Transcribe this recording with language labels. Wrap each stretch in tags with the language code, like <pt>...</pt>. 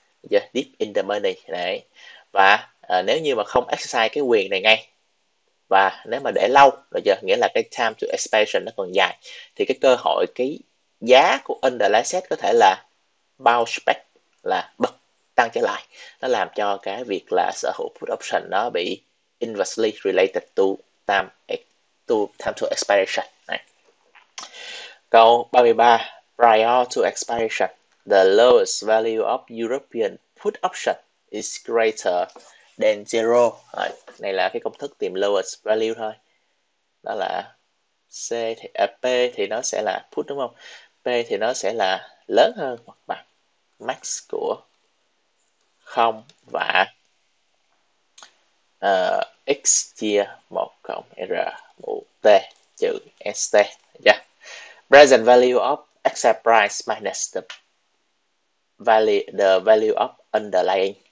<en>Yeah, deep in the money.</en> <vi>Đấy. Và nếu như mà không exercise cái quyền này ngay, và nếu mà để lâu, rồi giờ nghĩa là cái time to expiration nó còn dài, thì cái cơ hội cái giá của underlying set có thể là bounce back, là bật tăng trở lại, nó làm cho cái việc là sở hữu put option nó bị</vi> <en>inversely related to time to expiration.</en> <vi>Này. Câu 33,</vi> <en>prior to expiration, the lowest value of European put option is greater than zero.</en> <vi>Này, này là cái công thức tìm lowest value thôi. Đó là C thì P thì nó sẽ là put đúng không? P thì nó sẽ là lớn hơn hoặc bằng max của 0 và x chia 1 cộng r mũ t trừ st.</vi> <en>Yeah. Present value of exit price minus the value of underlying.</en>